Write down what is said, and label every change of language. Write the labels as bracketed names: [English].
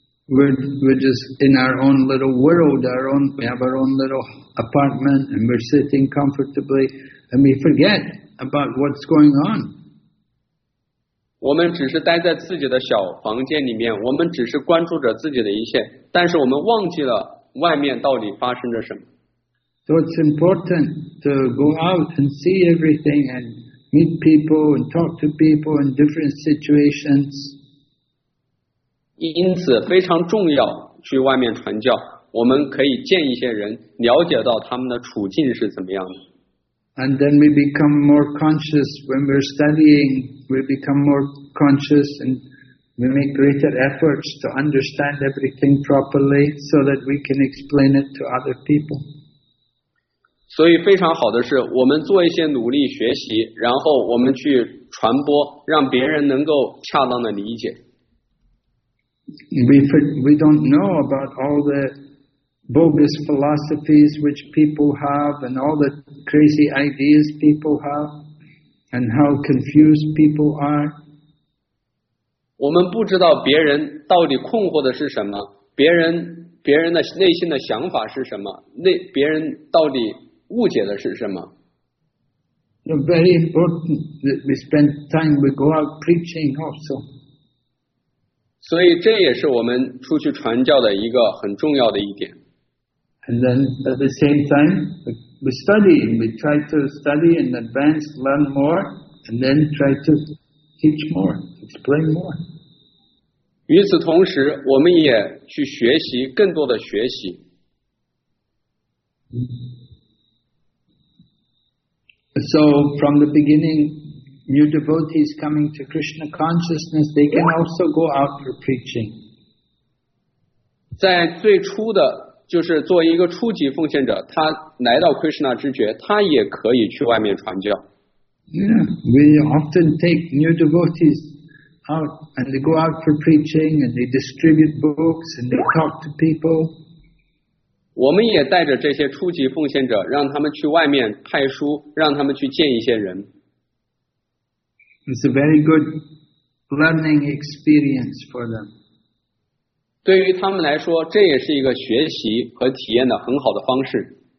[English] We're just in our own little world, we have our own little apartment, and we're sitting comfortably, and we forget about what's going on. [Chinese] 我们只是待在自己的小房间里面，我们只是关注着自己的一切，但是我们忘记了外面到底发生着什么。 [English] So it's important to go out and see everything and meet people and talk to people in different situations. [Chinese] 因此非常重要去外面传教，我们可以见一些人，了解到他们的处境是怎么样的。 [English] And then we become more conscious when we're studying, we become more conscious and we make greater efforts to understand everything properly so that we can explain it to other people. [Chinese] 所以非常好的是我们做一些努力学习，然后我们去传播，让别人能够恰当的理解。 [English] We don't know about all the bogus philosophies which people have and all the crazy ideas people have and how confused people are. [Chinese] 我们不知道别人到底困惑的是什么，别人的内心的想法是什么，别人到底误解的是什么。 [English] It's very important that we spend time, we go out preaching also. [Chinese] 所以这也是我们出去传教的一个很重要的一点。 [English] And then at the same time, we study, we try to study in advance, learn more, and then try to teach more, explain more. [Chinese] 与此同时，我们也去学习更多的学习。 [English] So from the beginning,New devotees coming to Krishna consciousness, they can also go out for preaching. [Chinese] 在最初的，就是作为一个初级奉献者，他来到 Krishna 知觉，他也可以去外面传教。 [English] Yeah, we often take new devotees out and they go out for preaching and they distribute books and they talk to people. [Chinese] 我们也带着这些初级奉献者，让他们去外面派书，让他们去见一些人。 [English] It's a very good learning experience for them. [Chinese] 对于他们来说，这也是一个学习和体验的很好的方式。